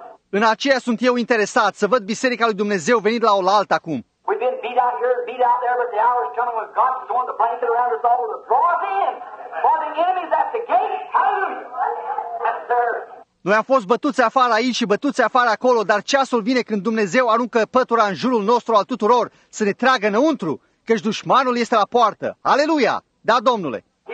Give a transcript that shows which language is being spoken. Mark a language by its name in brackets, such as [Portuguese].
[Romanian] În aceea sunt eu interesat să văd Biserica lui Dumnezeu venind la oaltă acum. [English] We've been beat out here and beat out there, but the hour is coming when God is going to blanket around us all to draw us in. For the enemy is at the gate. Hallelujah. Yes, sir. [Romanian] Noi am fost bătuți afară aici și bătuți afară acolo, dar ceasul vine când Dumnezeu aruncă pătura în jurul nostru al tuturor să ne tragă înăuntru, căci dușmanul este la poartă. Aleluia! Da, Domnule!